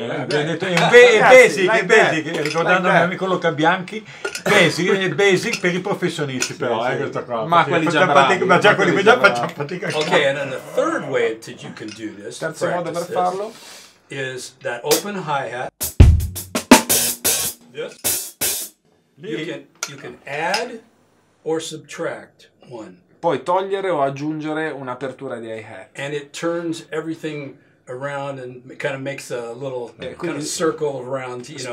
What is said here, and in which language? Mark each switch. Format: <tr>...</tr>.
<it>abbiamo detto basic, ricordando il mio amico Luca Bianchi, basic per i professionisti, però sì. Questa qua. Ma quelli già facciamo fatica.</it> <en>Ok, and then the third way that you can do this,</en> <it>terzo modo per farlo,</it> <en>is that open hi-hat. This. You can add or subtract one.</en> <it>Puoi togliere o aggiungere un'apertura di hi-hat.</it> <en>And it turns everything around and kind of makes a little kind of circle around, you know.</en>